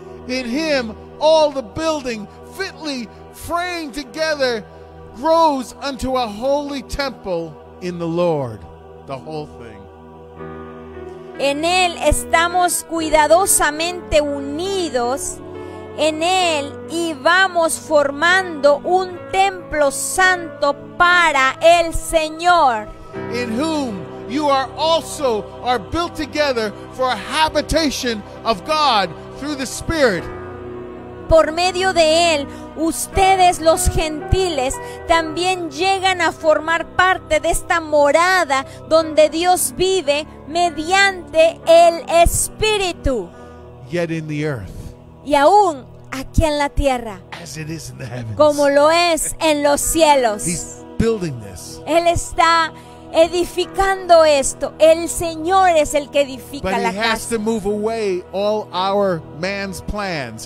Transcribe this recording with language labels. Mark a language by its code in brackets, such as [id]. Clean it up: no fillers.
[en] In him all the building fitly framed together grows unto a holy temple in the Lord. The whole thing. [es] En Él estamos cuidadosamente unidos, en Él, y vamos formando un templo santo para el Señor. [en] In whom you are also are built together for a habitation of God through the Spirit. [es] Por medio de Él, ustedes los gentiles también llegan a formar parte de esta morada donde Dios vive mediante el Espíritu. [en] Yet in the earth, [es] y aún aquí en la tierra, [en] as it is in the heavens, [es] como lo es en los cielos. [en] He's building this. [es] Él está edificando esto. El Señor es el que edifica la casa. [en] But he has to move away all our man's plans.